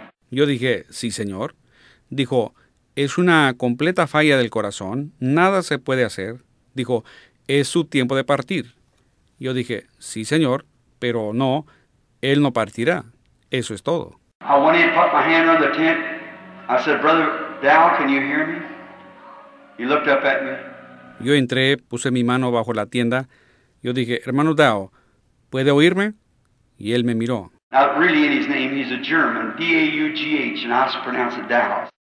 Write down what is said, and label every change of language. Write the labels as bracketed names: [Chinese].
[Spanish] Yo dije, sí, señor. Dijo, es una completa falla del corazón. Nada se puede hacer. Dijo, es su tiempo de partir. Yo dije, sí, señor, pero no, él no partirá. Eso es todo. [English] I went in and put my hand under the tent. I said, Brother Dow, can you hear me? He looked up at me. [Spanish] Yo entré, puse mi mano bajo la tienda. Yo dije, hermano Dow, ¿puede oírme? Y él me miró. [English] Not really in his name, he's a German, D-A-U-G-H, and I pronounce it Dow.